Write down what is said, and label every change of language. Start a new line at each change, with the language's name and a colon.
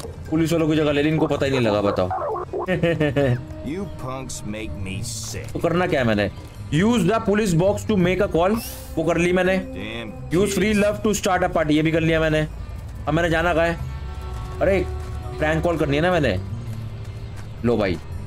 Hindi: Police वालों की जगह ले ली इनको पता ही नहीं लगा बताओ
English: You punks make me sick.
Hindi: तो करना क्या है मैंने
English: Use the police box to make a call.
Hindi: वो कर ली मैंने
English: Use free love to start a party.
Hindi: ये भी कर लिया मैंने अब मैंने जाना कहा है अरे prank call करनी है ना मैंने लो भाई